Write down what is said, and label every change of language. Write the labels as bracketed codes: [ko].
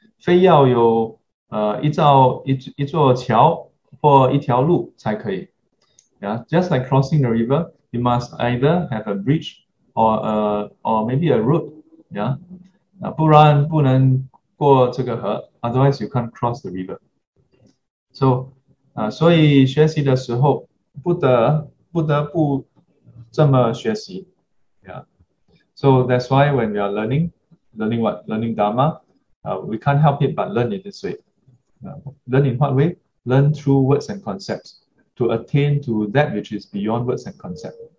[zh] 非要有 一座桥或一条路才可以. [en] Yeah, just like crossing the river, you must either have a bridge or maybe a road. [zh] Yeah, 不然不能过这个河, [en] otherwise you can't cross the river. [zh] So, 所以学习的时候不得不这么学习. [en] Yeah, so that's why when we are learning what? Learning Dharma, we can't help it but learn it this way. Learn in what way? Learn through words and concepts to attain to that which is beyond words and concepts.